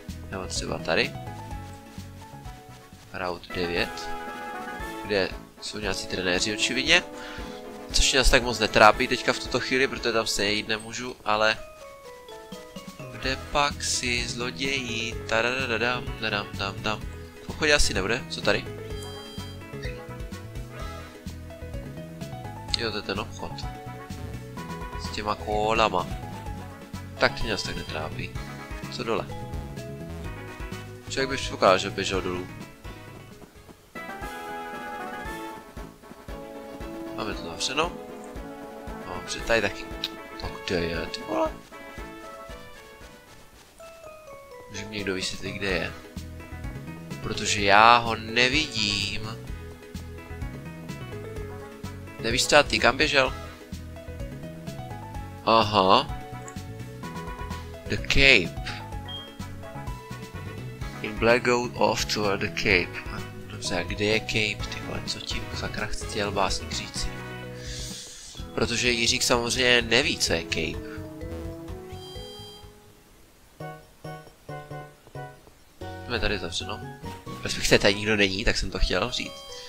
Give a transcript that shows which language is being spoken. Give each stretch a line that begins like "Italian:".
Czech: Nebo třeba tady. Route 9. Kde jsou nějací trenéři očividně. Což mě asi tak moc netrápí teďka v tuto chvíli, protože tam se jít nemůžu, ale... Kde pak si zloději? Tadadadadam, dadam, dam, dam. Chodě asi nebude, co tady? Jo, to je ten obchod. S těma kolama. Tak ty mě tak netrápí. Co dole? Člověk by předpokládal, že běžel dolů. Máme to zavřeno. No, protože tady taky... No kde je, ty vole? Může mi někdo vysvětlit, kde je. Protože já ho nevidím. Nevíš třeba ty, kam běžel? Aha. The Cape.
English: In Black go off toward the Cape.
Czech: Dobře, a kde je Cape, ty vole, co ti sakra chtěl básník říci? Protože Jiřík samozřejmě neví, co je Cape. Jsme tady zavřeno. Respektive tady nikdo není, tak jsem to chtěl říct.